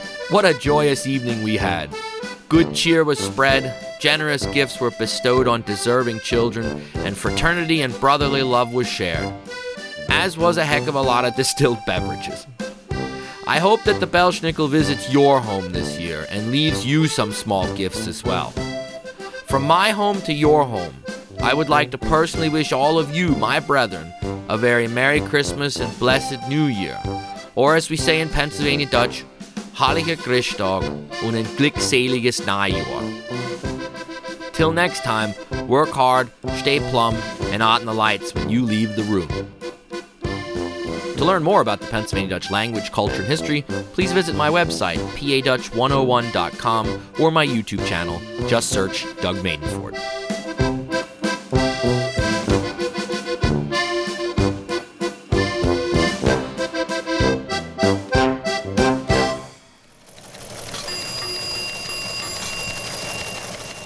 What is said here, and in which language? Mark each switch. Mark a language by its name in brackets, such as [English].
[English] What a joyous evening we had. Good cheer was spread, generous gifts were bestowed on deserving children, and fraternity and brotherly love was shared, as was a heck of a lot of distilled beverages. I hope that the Belschnigel visits your home this year and leaves you some small gifts as well. From my home to your home, I would like to personally wish all of you, my brethren, a very Merry Christmas and Blessed New Year. Or as we say in Pennsylvania Dutch, [German] Heilige Christtag und ein glückseliges Neujahr. [English] Till next time, work hard, stay plumb, and out in the lights when you leave the room. To learn more about the Pennsylvania Dutch language, culture, and history, please visit my website, padutch101.com, or my YouTube channel. Just search Doug Maidenfort.